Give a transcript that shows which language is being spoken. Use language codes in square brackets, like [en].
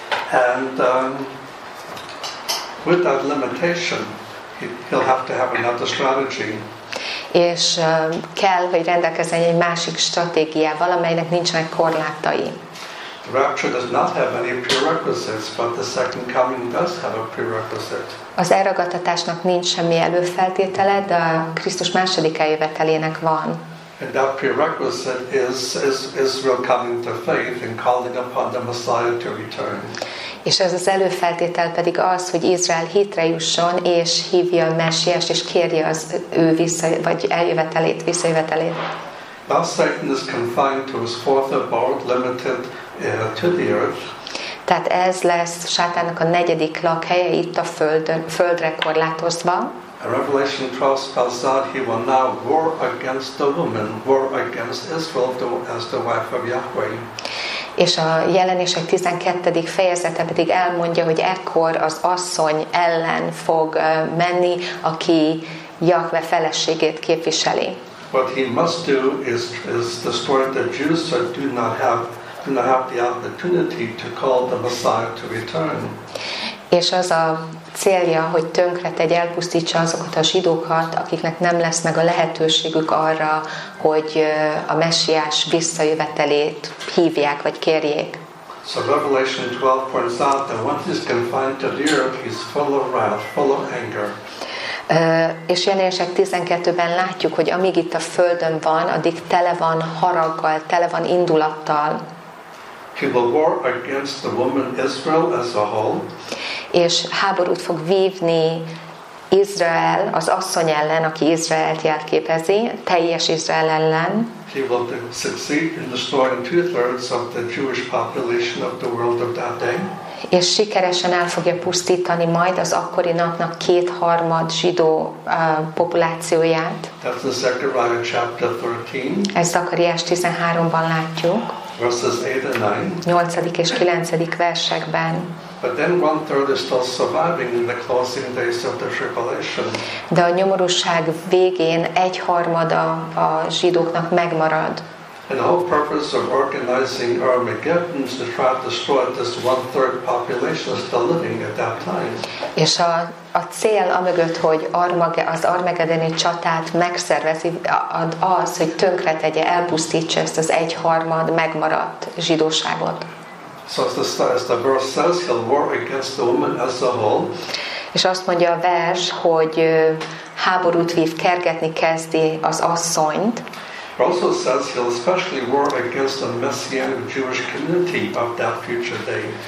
[en] And with that limitation, he'll have to have another strategy. [hu] És kell, hogy rendelkezzen egy másik stratégiával, amelynek nincsenek korlátai. [en] The rapture does not have any prerequisites, but the second coming does have a prerequisite. [hu] Az elragadtatásnak nincs semmi előfeltétele, de a Krisztus második eljövetelének van. [en] And that prerequisite is Israel coming to faith and calling upon the Messiah to return. [hu] És ez az előfeltétel pedig az, hogy Izrael hitre jusson és hívja a Messiás és kérje az ő vissza vagy eljövetelét, visszajövetelét. [en] Now Satan is confined to his fourth abode, limited to the earth. [hu] Tehát ez lesz Sátánnak a negyedik lakhelye itt a földre korlátozva. [en] Revelation 12 spells out he will now war against the woman, war against Israel as the wife of Yahweh. [hu] És a jelenések 12. fejezete pedig elmondja, hogy ekkor az asszony ellen fog menni, aki Jahve feleségét képviseli. [en] What he must do is destroy the Jews that do not have the opportunity to call the Messiah to return. [hu] És az a célja, hogy tönkretegy, elpusztítsa azokat a zsidókat, akiknek nem lesz meg a lehetőségük arra, hogy a Messiás visszajövetelét hívják vagy kérjék. [en] So Revelation 12 points out that once he's confined to the earth, he's full of wrath, full of anger. [hu] És jelenések 12-ben látjuk, hogy amíg itt a földön van, addig tele van haraggal, tele van indulattal. [en] He will war against the woman Israel as a whole. [hu] És háborút fog vívni Izrael, az asszony ellen, aki Izraelt jelképezi, teljes Izrael ellen. [en] He will succeed in destroying 2/3 of the Jewish population of the world of that day. [hu] És sikeresen el fogja pusztítani majd az akkori napnak 2/3 zsidó populációját. [en] That's in Zechariah chapter 13. [hu] Ezt Zakariás 13-ban látjuk. [en] Verses 8 and 9. [hu] 8. és 9. versekben. [en] But then 1/3 is still surviving in the closing days of the tribulation. [hu] De a nyomorúság végén 1/3 a zsidóknak megmarad. [en] And the whole purpose of organizing Armageddon is to try to destroy this 1/3 population still living at that time. [hu] És a cél amögött, hogy az armagedoni csatát megszervezi, az, hogy tönkre tegye, elpusztítsa ezt az egyharmad megmaradt zsidóságot. [en] So as the verse says, he'll war against the woman as a whole. [hu] És azt mondja a vers, hogy háborút vív, kergetni kezdi az asszonyt. [en] It also says he'll especially war against the messianic Jewish community of that future day.